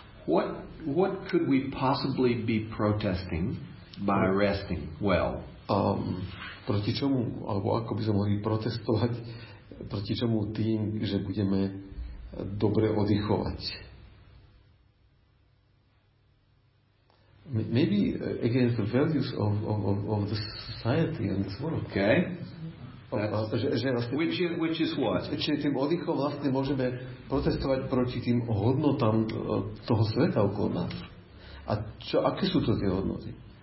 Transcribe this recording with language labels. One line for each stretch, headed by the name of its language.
English: What could we possibly be protesting by resting well?
Slovak: Proti čomu, alebo ako by sme mohli protestovať, proti čomu tým, že budeme dobre oddychovať?
English: Maybe against the values of the society and this world. Okay. Which is what?
Slovak: Čiže tým oddychom vlastne môžeme protestovať proti tým hodnotám toho sveta okolo nás. A čo, aké sú to tie hodnoty?